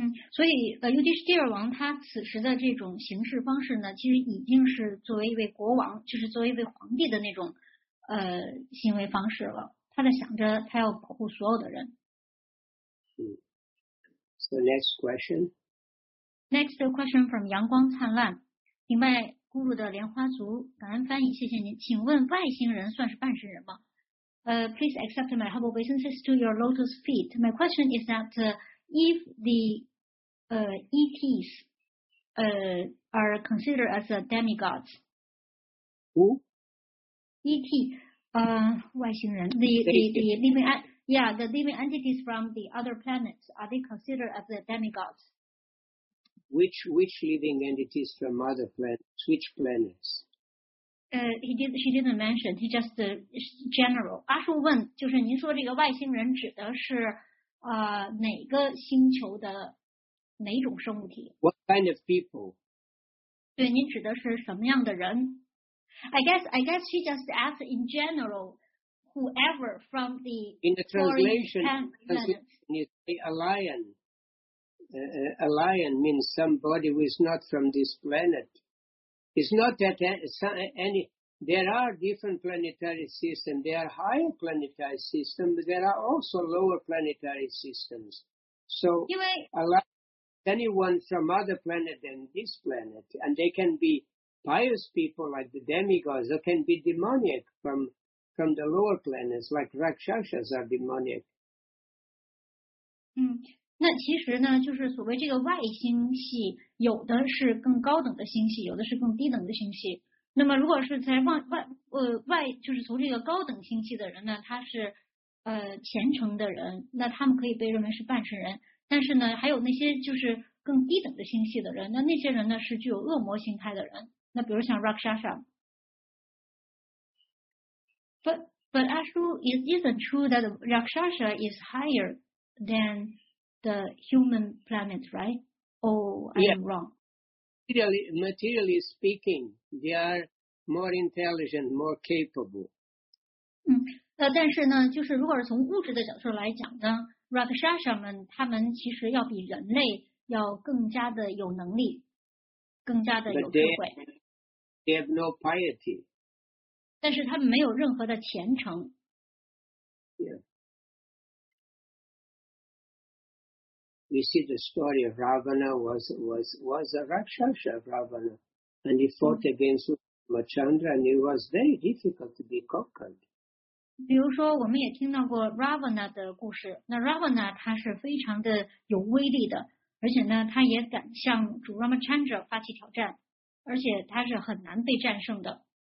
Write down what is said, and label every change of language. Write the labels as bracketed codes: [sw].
[zh] 所以Yudhisthira王他此时的这种行事方式呢，其实已经是作为一位国王，就是作为一位皇帝的那种行为方式了。他在想着他要保护所有的人。 [en] So next question. Next question from [zh] 阳光灿烂，明白咕噜的莲花族，感恩翻译，谢谢您。请问外星人算是半神人吗？ [en] Please accept my humble obeisances to your lotus feet. My question is that if the ETs are considered as a demigods. Who? ET, [zh] 外星人 [en] the living entities from the other planets, are they considered as a demigods? Which living entities from other planets? Which planets? She didn't mention, he just general. [zh] 阿树问，就是您说这个外星人指的是哪个星球的哪种生物体？ [en] What kind of people? [zh] 对，您指的是什么样的人？ [en] I guess she just asked in general, whoever from the in the translation, a lion means somebody who is not from this planet. It's not that any. There are different planetary systems. There are higher planetary systems, but there are also lower planetary systems. So anyone from other planet than this planet, and they can be pious people like the demigods, or can be demoniac from the lower planets, like Rakshasas are demoniac. [zh] 那其实呢，就是所谓这个外星系，有的是更高等的星系，有的是更低等的星系。那么如果是在外就是从这个高等星系的人呢，他是虔诚的人，那他们可以被认为是半神人。但是呢，还有那些就是更低等的星系的人，那些人呢是具有恶魔形态的人，那比如像 Rakshasa。 [en] But Ashu, is it true that Rakshasa is higher than the human planet, right? Oh, I am wrong. Materially speaking, they are more intelligent, more capable. [zh] 但是呢，就是如果是从物质的角度来讲呢， Rakshasa 们他们其实要比人类要更加的有能力，更加的有智慧。 [en] They have no piety. [zh] 但是他们没有任何的虔诚。 [en] We see the story of Ravana was a Rakshasa, Ravana, and he fought against Ramachandra, and it was very difficult to be conquered. [zh] 比如说，我们也听到过 Ravana 的故事。那 Ravana 他是非常的有威力的，而且呢，他也敢向主 Ramachandra 发起挑战，而且他是很难被战胜的。